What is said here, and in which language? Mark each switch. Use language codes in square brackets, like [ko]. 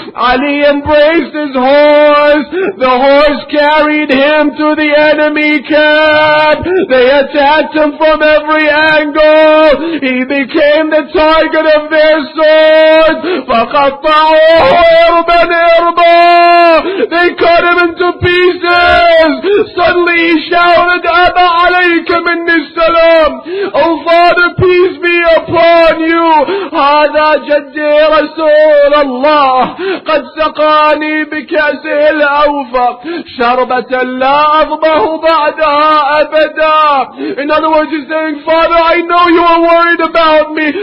[en] Ali embraced his horse. The horse carried him to the enemy camp. They attacked him from every angle. He became the target of their swords. [ar] فَقَطَعُوا إِرْبًا إِرْبًا. [en] They cut him into pieces. Suddenly he shouted, [ar] أَبَا عَلَيْكَ مِنِّي السَّلَامِ. [en] Oh Father, peace be upon you. [ar] هَذَا جَدِّي رَسُولَ اللَّهِ قَدْ سَقَانِي بِكَأْسِهِ الْأَوْفَى شَرْبَةً لَا أَضْبَهُ بَعْدَهَا أَبَدًا. [en] In other words, he's saying, Father, I know you are worried about me.